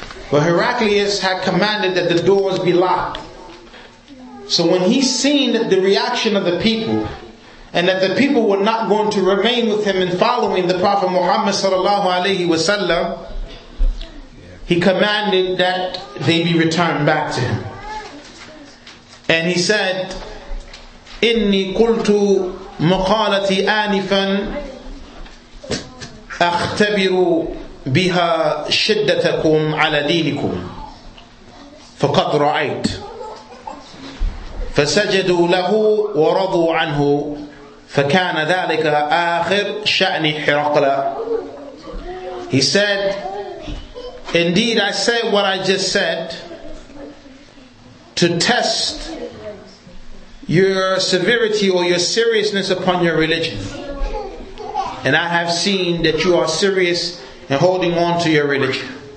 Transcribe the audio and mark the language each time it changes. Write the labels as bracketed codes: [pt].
[en] But Heraclius had commanded that the doors be locked. So when he seen the reaction of the people, and that the people were not going to remain with him in following the Prophet Muhammad sallallahu alaihi wasallam, he commanded that they be returned back to him. And he said, [ar] Inni qultu maqalati anifan أختبر بها شدتكم على دينكم فقد رأيت فسجدوا له ورضوا عنه فكان ذلك آخر شأن حرقل. [en] He said, Indeed, I say what I just said to test your severity or your seriousness upon your religion. And I have seen that you are serious and holding on to your religion.